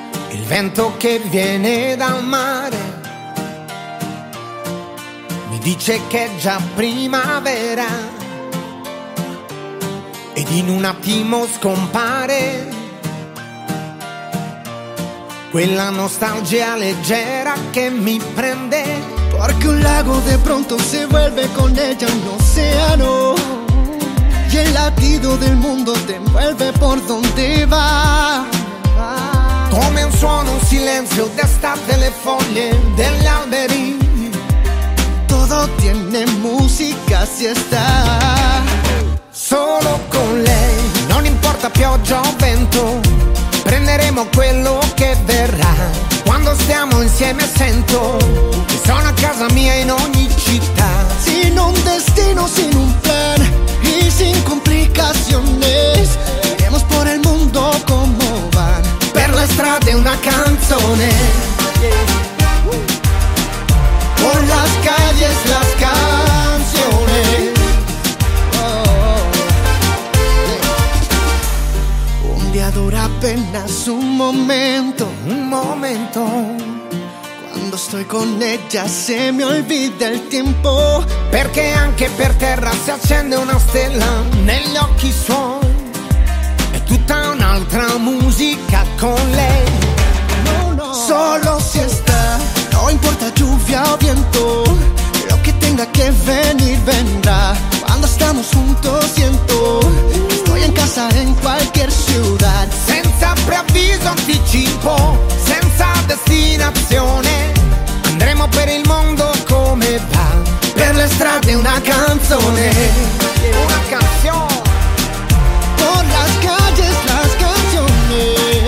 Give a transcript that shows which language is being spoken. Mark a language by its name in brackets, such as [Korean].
[Italian] Il vento che viene dal mare mi dice che è già primavera ed in un attimo scompare quella nostalgia leggera che mi prende. [Spanish] Porque un lago de pronto se vuelve con ella un océano y el latido del mundo te envuelve por donde va. [Italian] Come un suono, un silenzio d'estate, le foglie degli alberi. [Spanish] Todo tiene música si está [Italian] solo con lei. Non importa pioggia o vento, prenderemo quello che verrà. Quando stiamo insieme sento che sono a casa mia in ogni città. [Spanish] Sin un destino, sin un plan y sin complicaciones, iremos por el mundo como van. [Italian] Per la strada una canzone. [Spanish] Por las calles las canciones. Un día dura apenas un momento, un momento. Cuando estoy con ella se me olvida el tiempo. Porque [Italian] anche per terra si accende una stella negli occhi suoi. È tutta un'altra musica con lei. [Spanish] No, no. Solo si está. No importa lluvia o viento, lo que tenga que venir vendrá. Cuando estamos juntos siento que estoy en casa en cualquier ciudad. [Italian] Senza preavviso anticipo, senza destinazione, andremo per il mondo come va. Per le strade una canzone, [Spanish] una canción. Por las calles las canciones.